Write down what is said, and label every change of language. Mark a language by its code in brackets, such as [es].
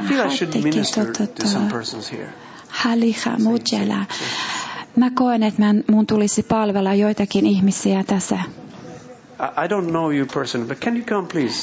[en] I feel I should minister to some persons here. Haliha mujela. [fi] Mä koen, että mun tulisi palvella joitakin ihmisiä tässä. [en] I don't know you person, but can you come please?